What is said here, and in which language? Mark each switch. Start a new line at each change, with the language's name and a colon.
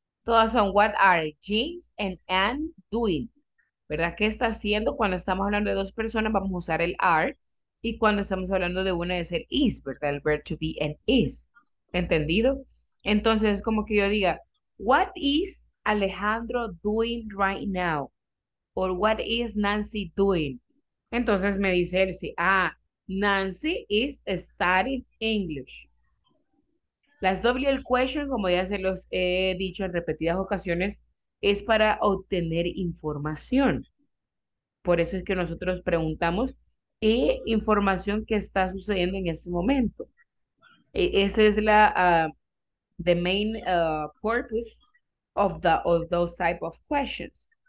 Spanish: Todas son,
English: what are James and Anne doing?
Spanish: ¿Verdad? ¿Qué está haciendo? Cuando estamos hablando de dos personas, vamos a usar el are. Y cuando estamos hablando de una, es el is, ¿verdad?
English: El verb to be and is.
Spanish: ¿Entendido? Entonces, es como que yo diga,
English: what is Alejandro doing right now? Or what is Nancy doing?
Spanish: Entonces, me dice él, sí,
English: ah, Nancy is studying English.
Spanish: Las WL questions, como ya se los he dicho en repetidas ocasiones, es para obtener información. Por eso es que nosotros preguntamos, ¿qué información que está sucediendo en este momento? Esa es la,
English: the main purpose of those type of questions.